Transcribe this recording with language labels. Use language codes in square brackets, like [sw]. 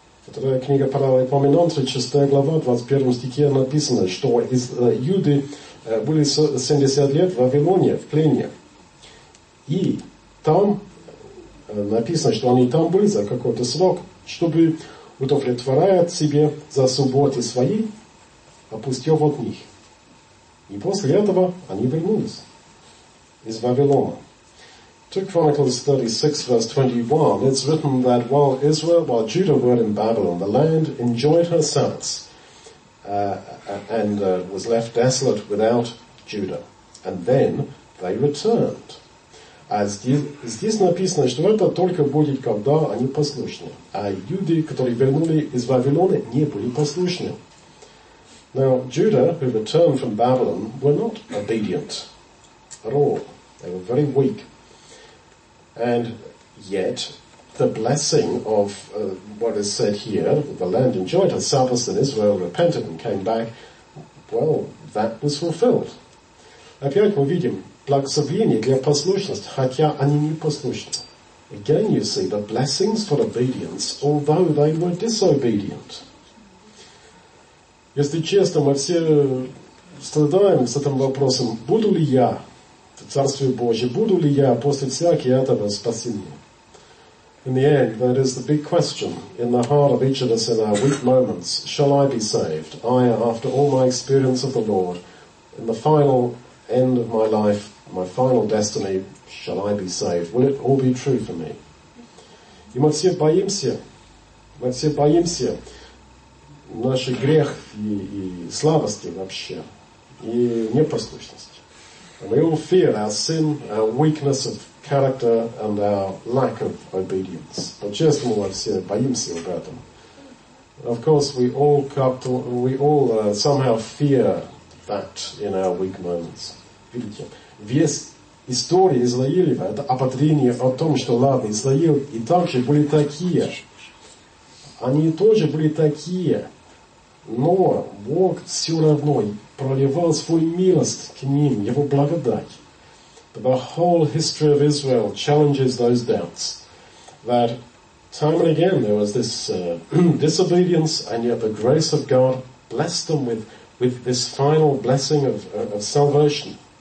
[ru] Вторая книга Паралай Поминон, 36 глава, 21 стихе написано, что Юды были 70 лет в Вавилоне, в плене. И там написано, что они там были за какой-то срок, чтобы удовлетворять себе за субботы свои, опустив от них. И после этого они вернулись из Вавилона. [en] 2 Chronicles 36, verse 21, it's written that while Israel, while Judah were in Babylon, the land enjoyed her Sabbaths and was left desolate without Judah. And then they returned. [ru] Здесь написано, что это только будет, когда они послушны. А люди, которые вернули из Вавилона, не были послушны. [en] Now, Judah, who returned from Babylon, were not obedient at all. They were very weak. And yet, the blessing of what is said here, the land enjoyed her Sabbath, and Israel repented and came back, well, that was fulfilled. [ru] Опять мы видим благословение для послушности, хотя они не послушны. [en] Again, you see the blessings for obedience, although they were disobedient. [ru] Если честно, мы все страдаем с этим вопросом, буду ли я в Царстве Божьем, буду ли я после всякого этого спасения? [en] In the end, that is the big question in the heart of each of us in our weak moments. Shall I be saved? I, after all my experience of the Lord, in the final end of my life, my final destiny, shall I be saved? Will it all be true for me? [ru] И мы все боимся. Мы все боимся. Наш грех и слабости вообще. И непослушность. [en] We all fear our sin, our weakness of character, and our lack of obedience. But just more, I've said, [ru] боимся об этом. [en] Of course, we all somehow fear that in our weak moments. [ru] Видите, весь история Израилева это ободрение о том, что ладно, Израил и также были такие. Они тоже были такие, но Бог все равно проливал свою милость к ним, его благодать. [en] But the whole history of Israel challenges those doubts. That time and again there was this disobedience, and yet the grace of God blessed them with this final blessing of salvation.